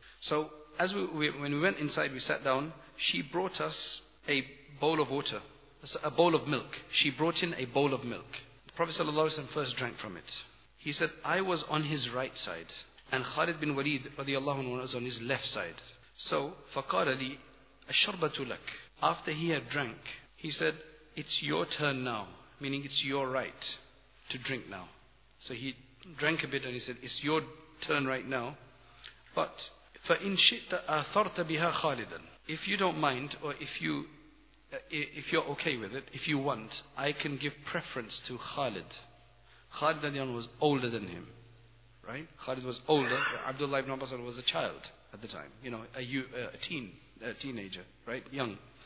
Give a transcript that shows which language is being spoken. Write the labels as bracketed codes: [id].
[en] So as when we went inside, we sat down. She brought us a bowl of water, a bowl of milk. She brought in a bowl of milk. The Prophet sallallahu alaihi wasallam first drank from it. He said, "I was on his right side, and Khalid bin Walid radiallahu anhu was on his left side." [ar] So, فَقَالَ لِي أَشْرَبَتُ لَكَ. [en] After he had drank, he said, "It's your turn now," meaning it's your right to drink now. So he drank a bit and he said, "It's your turn right now. [ar] But فَإِنْ شِئْتَ أَثَرْتَ بِهَا خَالِدًا. [en] If you don't mind, or if you're okay with it, if you want, I can give preference to Khalid." Khalid was older than him, right? Khalid was older. Abdullah ibn Abbas was a child at the time, you know, a teenager, right? Young.